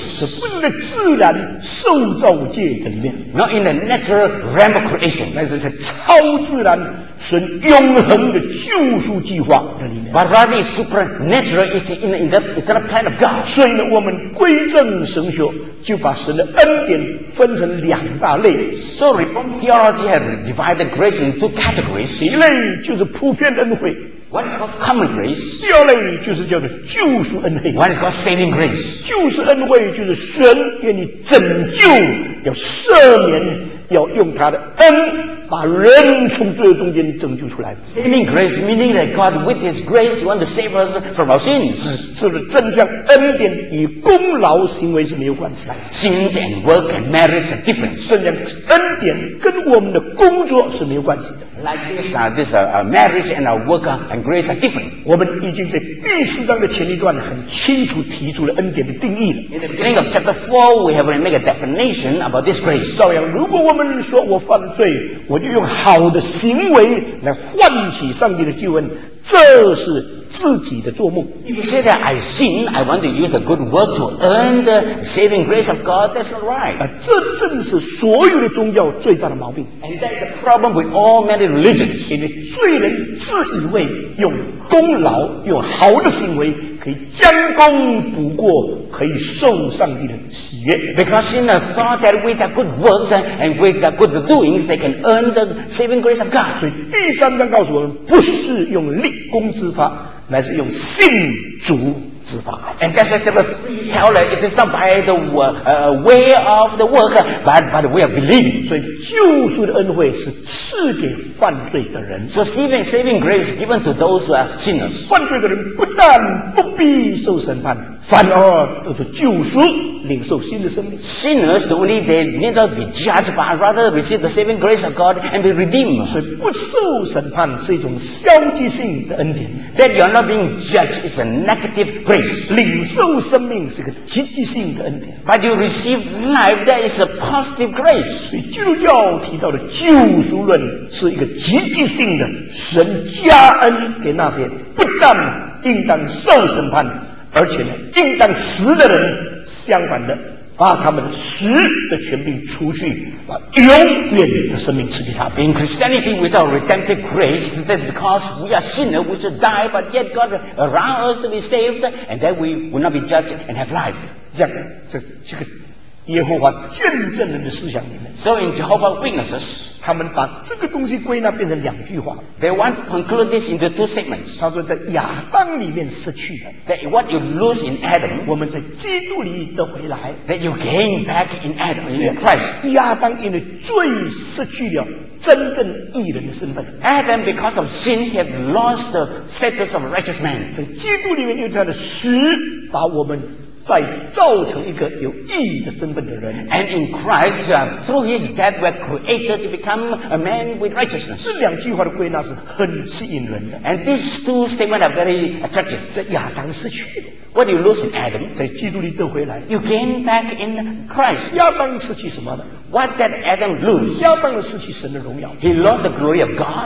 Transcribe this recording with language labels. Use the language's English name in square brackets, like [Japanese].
[Chinese] 是不是在自然受造界的里面 [English] ？Not in the natural realm of creation. [Chinese] 那是在超自然神永恒的救赎计划的里面。 [English] But rather supernatural is in the eternal plan of God. [Chinese] 所以呢，我们归正神学，就把神的恩典分成两大类。 [English] So Reformed theology has divided grace into two categories. [Chinese] 一类就是普遍恩惠。 [English] What is called common grace? [Chinese] 第二类就是叫做救赎恩惠。 [English] What is called saving grace? [Chinese] 救赎恩惠就是神愿意拯救，要赦免，要用他的恩把人从罪中间拯救出来。 [English] Saving grace meaning that God with His grace want to save us from our sins. [Chinese] 是不是真相？恩典与功劳行为是没有关系的。 [English] Sins and work and merits are different. [Chinese] 甚至恩典跟我们的工作是没有关系的。 [English] Like this, marriage and our work and grace are different. [Chinese] 我们已经在第四章的前一段很清楚提出了恩典的定义了。 [English] In the beginning of chapter 4, we have to make a definition about this grace. [Chinese] 照样，如果我们说我犯罪，我就用好的行为来换取上帝的救恩，这是自己的做梦。 [English] You say that I sin, I want to use a good work to earn the saving grace of God. That's not right. [Chinese] 这正是所有的宗教最大的毛病。 [English] And that is the problem with all many religions. [Chinese] 因为罪人自以为用功劳、用好的行为可以将功补过，可以受上帝的喜悦。 [English] Because sinner thought that with their good works and with their good doings, they can earn the saving grace of God. [Chinese] 所以第三章告诉我们，不是用立功之法。乃是用信主之法。 [English] And that's just a teller. It is not by the way of the work, but by the way of belief. [Chinese] 所以救赎的恩惠是赐给犯罪的人。 [English] So saving grace given to those who are sinners. [Chinese] 犯罪的人不但不必受审判，反而得到救赎，领受新的生命。 [English] Sinners don't only they need not be judged, but rather receive the saving grace of God and be redeemed. [Chinese] 所以不受审判是一种消极性的恩典。 [English] That you are not being judged is a negative grace. [Chinese] 领受生命是个积极性的恩典。 [English] But you receive life, that is a positive grace. [Chinese] 所以基督教提到的救赎论是一个积极性的，神加恩给那些不但应当受审判，而且呢，应当死的人，相反的，把他们死的权柄除去，把永远的生命赐给他们。 [English] In Christianity, without redemptive grace, that's because we are sinners, we should die, but yet God allows us to be saved, and that we will not be judged and have life. [Chinese] 这个耶和华见证人的思想里面。 [English] So in Jehovah Witnesses, [Chinese] 他们把这个东西归纳变成两句话。 [English] They want to conclude this into two statements. [Chinese] 他说在亚当里面失去的。 [English] That what you lose in Adam, [Chinese] 我们在基督里得回来。 [English] That you gain back in Adam, in Christ. [Chinese] 亚当因为罪失去了真正义人的身份。 [English] Adam, because of sin, he had lost the status of a righteous man. [Chinese] 在基督里面，因为他的死，把我们再造成一个有意义的身份的人。 [English] And in Christ, through his death, we're created to become a man with righteousness. [Chinese] 这两句话的归纳是很吸引人的。 [English] And these two statements are very attractive. [Chinese] 在亚当失去。 [English] What you lose in Adam, [Chinese] 在基督里得回来。 [English] You gain back in Christ. [Chinese] 亚当失去什么呢？ [English] What did Adam lose? [Chinese] 亚当失去神的荣耀。 [English] He lost the glory of God.